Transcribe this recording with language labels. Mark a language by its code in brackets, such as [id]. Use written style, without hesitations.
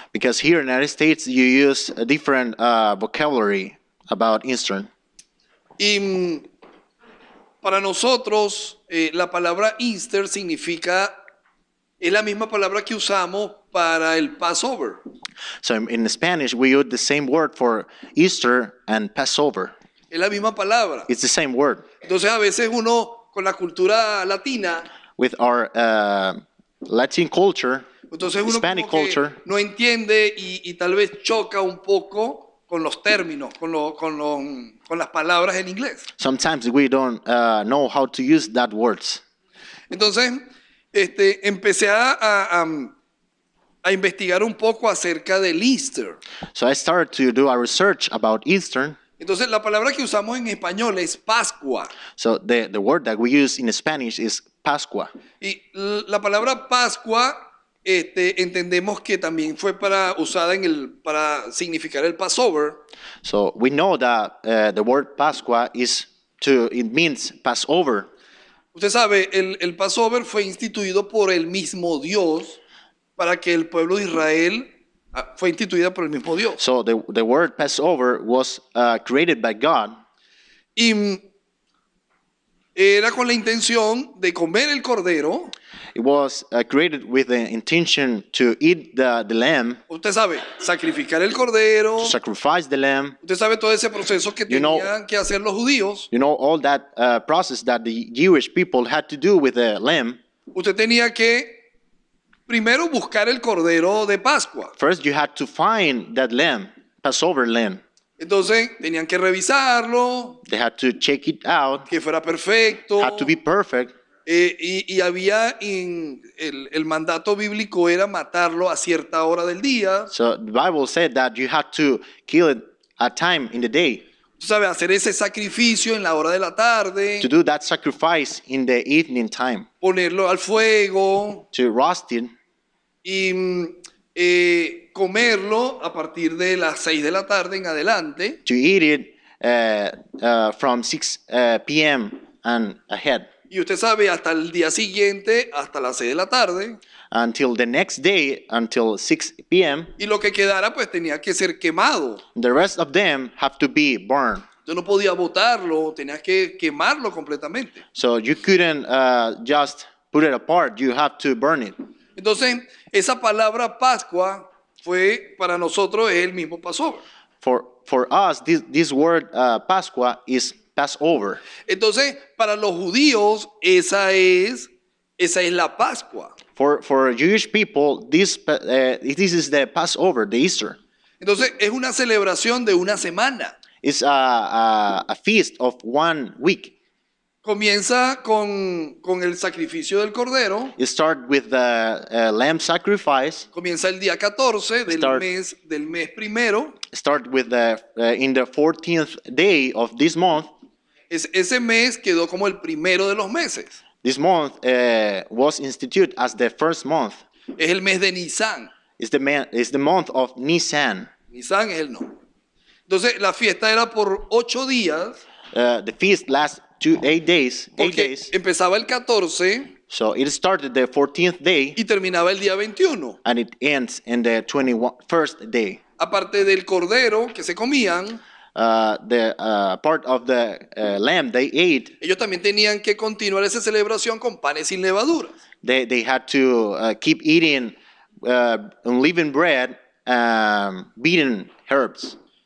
[en] Because here in the United States you use a different vocabulary about Easter. [es] Y para nosotros la palabra Easter significa, es la misma palabra que usamos para el Passover. [en] So in Spanish we use the same word for Easter and Passover. [es] Es la misma palabra. [en] It's the same word. [es] Entonces a veces uno con la cultura latina, [en] with our Latin culture, [es] entonces uno [en] Hispanic [es] como que no entiende y tal vez choca un poco con los términos, con las palabras en inglés. [en] Sometimes we don't know how to use that words. [es] Entonces, empecé a investigar un poco acerca del Easter. [en] So I started to do a research about Easter. [es] Entonces la palabra que usamos en español es Pascua. [en] So the word that we use in Spanish is Pascua. [es] Y la palabra Pascua, entendemos que también fue para usada en el para significar el Passover. [en] So we know that the word Pascua is to it means Passover. [es] Usted sabe, el Passover fue instituido por el mismo Dios para que el pueblo de Israel fue instituida por el mismo Dios. [en] So the word Passover was created by God. [es] Y era con la intención de comer el cordero. [en] It was created with the intention to eat the lamb. [es] Usted sabe, sacrificar el cordero. [en] To sacrifice the lamb. [es] Usted sabe todo ese proceso que tenían que hacer los judíos. [en] You know all that process that the Jewish people had to do with the lamb. [es] Usted tenía que primero buscar el cordero de Pascua. [en] First you had to find that lamb, Passover lamb. [es] Entonces tenían que revisarlo. [en] They had to check it out. [es] Que fuera perfecto. [en] Had to be perfect. [es] Y había en el mandato bíblico era matarlo a cierta hora del día. [en] So the Bible said that you had to kill it at time in the day. [es] Tú sabes, hacer ese sacrificio en la hora de la tarde. [en] To do that sacrifice in the evening time. [es] Ponerlo al fuego. [en] To roast it. [es] Y comerlo a partir de las 6 de la tarde en adelante. [en] To eat it from 6 p.m. and ahead. [es] Y usted sabe, hasta el día siguiente, hasta las 6 de la tarde. [en] Until the next day, until 6 p.m. [es] Y lo que quedara, pues, tenía que ser quemado. [en] The rest of them have to be burned. [es] Yo no podía botarlo, tenía que quemarlo completamente. [en] So you couldn't just put it apart, you have to burn it. [es] Entonces, esa palabra Pascua fue para nosotros el mismo Passover. [en] For us, this word Pascua is Passover. [es] Entonces, para los judíos, esa es la Pascua. [en] For Jewish people, this is the Passover, the Easter. [es] Entonces, es una celebración de una semana. [en] It's a feast of 1 week. [es] Comienza con el sacrificio del cordero. [en] It starts with the lamb sacrifice. [es] Comienza el día 14 del mes primero. [en] Start with the in the 14th day of this month. [es] Ese mes quedó como el primero de los meses. [en] This month was instituted as the first month. [es] Es el mes de Nisan. [en] is the month of Nisan. [es] Nisan es el nombre. Entonces la fiesta era por 8 días. [en] The feast lasts 8 days. [es] Empezaba el 14. [en] So it started the 14th day. [es] Y terminaba el día 21. [en] And it ends in the 21st day. [es] Aparte del cordero que se comían. [en] Part of the lamb they ate. [es] Ellos también tenían que continuar esa celebración con panes sin levadura. [en] They had to keep eating unleavened bread, beaten herbs.